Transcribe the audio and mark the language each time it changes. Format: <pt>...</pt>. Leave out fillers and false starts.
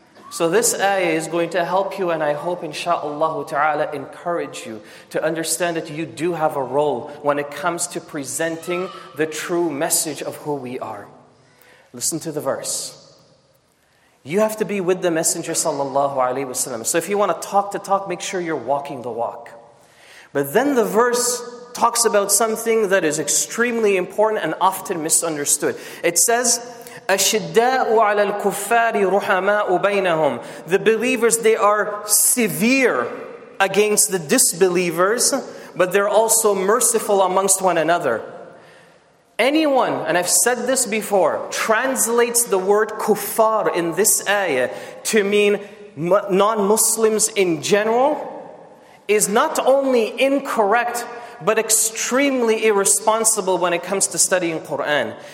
<en>So this ayah is going to help you, and I hope inshaAllah ta'ala encourage you to understand that you do have a role when it comes to presenting the true message of who we are. Listen to the verse. You have to be with the Messenger sallallahu alaihi wasallam. So if you want to talk the talk, make sure you're walking the walk. But then the verse talks about something that is extremely important and often misunderstood. It says,</en> <ar>أَشِدَّاءُ عَلَى الْكُفَّارِ رُحَمَاءُ بَيْنَهُمْ.</ar> <en>The believers, they are severe against the disbelievers, but they're also merciful amongst one another. Anyone, and I've said this before, translates the word kuffar in this ayah to mean non-Muslims in general, is not only incorrect, but extremely irresponsible when it comes to studying Quran.</en>